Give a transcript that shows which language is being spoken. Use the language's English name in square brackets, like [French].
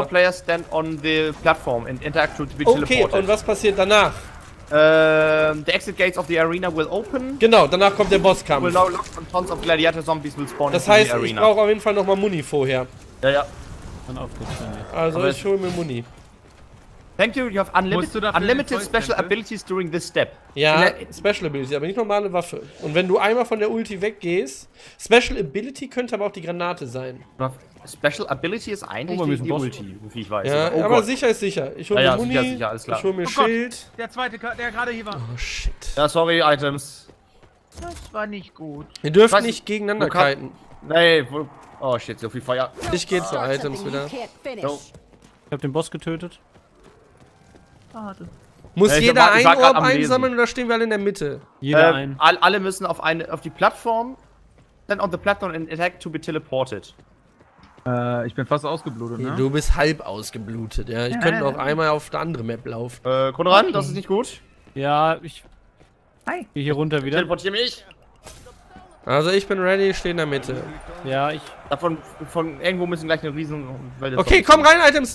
[English] All players stand on the platform and interact to be [German] teleported. Okay, und was passiert danach? [English] The exit gates of the arena will open. [German] Genau, danach kommt der Bosskampf. [English] Will now lock and tons of gladiator zombies will spawn. [German] Das heißt, ich brauche auf jeden Fall nochmal Muni vorher. Ja, ja. Also ich hole mir Muni. [English] Thank you, you have unlimited special abilities during this step. [German] Ja, special ability, aber nicht normale Waffe. Und wenn du einmal von der Ulti weggehst, special ability könnte aber auch die Granate sein. Special Ability ist eigentlich die Ulti, wie ich weiß. Ja, oh, aber Gott. Sicher ist sicher. Ich hole mir Muni, sicher, alles klar. Ich hole mir Schild. Gott, der zweite, der gerade hier war. Oh, shit. Ja, sorry, Items. Das war nicht gut. Wir dürfen nicht gegeneinander kiten. Nee, oh, shit, so viel Feuer. Ich gehe zu Items wieder. No. Ich hab den Boss getötet. Warte. Muss jeder einen Orb einsammeln oder stehen wir alle in der Mitte? Jeder einen. Alle müssen auf die Plattform. [English] Then on the platform and attack to be teleported. [German] Ich bin fast ausgeblutet, ne? Du bist halb ausgeblutet, ja. Ich könnte noch einmal auf der andere Map laufen. Konrad, das ist nicht gut. Ja, ich... Hi. Geh hier runter wieder. Teleportier mich! Also ich bin ready, steh in der Mitte. Ja, ich... Von irgendwo müssen gleich eine riesen... Okay, komm rein, Items!